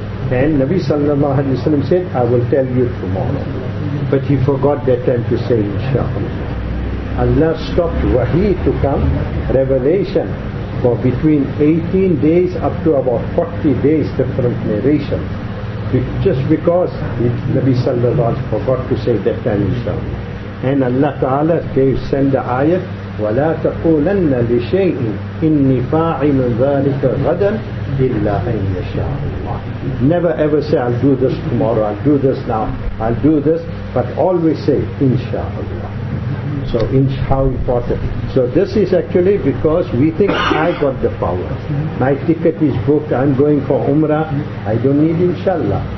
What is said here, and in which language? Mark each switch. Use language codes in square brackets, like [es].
[en] And Nabi sallallahu alayhi wa sallam said, I will tell you tomorrow. But he forgot that time to say inshallah. Allah stopped wahi to come, revelation, for between 18 days up to about 40 days different narration. Just because Nabi sallallahu alayhi wa sallam forgot to say that time inshallah. And Allah Ta'ala gave, send the ayat, [ar] وَلَا تَقُولَنَّ لِشَيْءٍ إِنِّي فَاعِلٌ ذَلِكَ غَدًا إِلَّا أَنْ يَشَاءُ اللَّهِ. [en] Never ever say, I'll do this tomorrow, I'll do this now, I'll do this, but always say, inshallah. So, how important. So this is actually because we think, I got the power. My ticket is booked, I'm going for Umrah, I don't need inshallah.